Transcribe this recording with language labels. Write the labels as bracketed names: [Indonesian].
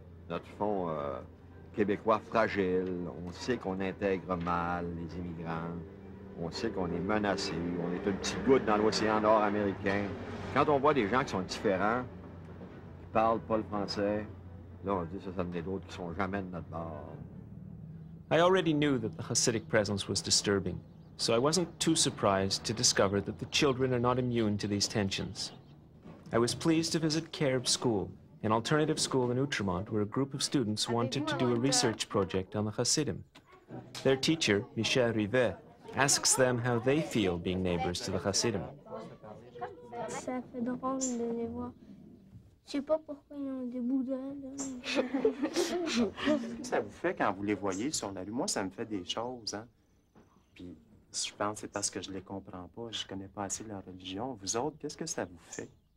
[French] Notre fond québécois fragile. On sait qu'on intègre mal les immigrants. On sait qu'on est menacé, on est une petite goutte dans l'océan nord-américain. Quand on voit des gens qui sont différents, qui parlent pas le français, là on dit que ça donne d'autres qui sont jamais de notre bord. [English] I already knew that the Hasidic presence was disturbing, so I wasn't too surprised to discover that the children are not immune to these tensions. I was pleased to visit Carib School, an alternative school in Outremont where a group of students wanted to do a research project on the Hasidim. Their teacher, Michel Rivet, asks them how they feel being neighbors to the Hasidim. [French] Ça fait drôle de les voir. Je sais pas pourquoi ils ont des boudins. Qu'est-ce que ça vous fait quand vous les voyez sur la rue? Moi, ça me fait des choses, hein. Puis je pense que c'est parce que je les comprends pas. Je connais pas assez leur religion. Vous autres, qu'est-ce que ça vous fait?